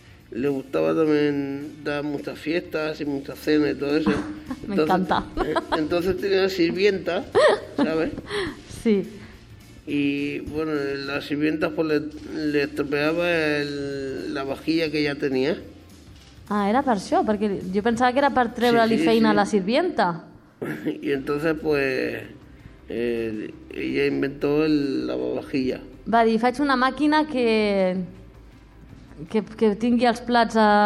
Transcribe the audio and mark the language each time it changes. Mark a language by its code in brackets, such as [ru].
[es] le gustaba también dar muchas fiestas y muchas cenas y todo eso. Entonces, me encanta. Entonces tenía sirvienta, ¿sabes? Sí. Y bueno, la sirvienta pues le estropeaba la vajilla que ella tenía. [ca] Ah, era per això, perquè jo pensava que era per treure-li feina a la sirvienta. [es] Y entonces pues ella inventó la vajilla. [ca] Va dir, faig una màquina que tingui els plats